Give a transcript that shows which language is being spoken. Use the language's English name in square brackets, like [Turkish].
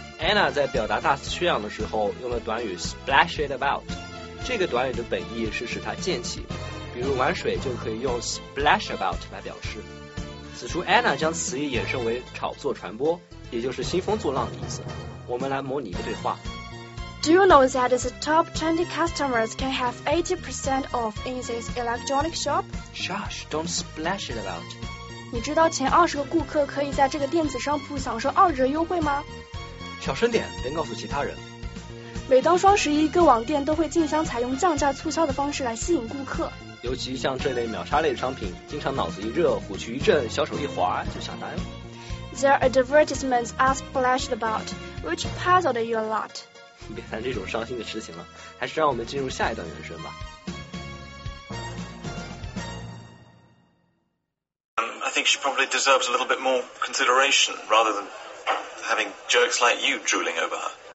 [Chinese] Anna 在表达大肆宣扬的时候用了短语 splash it about， 这个短语的本意是使它溅起，比如玩水就可以用 splash about 来表示。此处 Anna 将词义衍生为炒作传播，也就是兴风作浪的意思。我们来模拟一个对话。 [English] Do you know that the top 20 customers can have 80% off in this electronic shop? Shush, don't splash it about. [Chinese] 你知道前20个顾客可以在这个电子商铺享受二折优惠吗？小声点，别告诉其他人。每当双十一，各网店都会竞相采用降价促销的方式来吸引顾客。尤其像这类秒杀类商品，经常脑子一热，虎躯一震，小手一滑，就下单了。 [English] There are advertisements I splashed about, which puzzled you a lot. [Chinese] 别谈这种伤心的事情了，还是让我们进入下一段人生吧。 [English] I think she probably deserves a little bit more consideration, rather than having jerks like you drooling over her.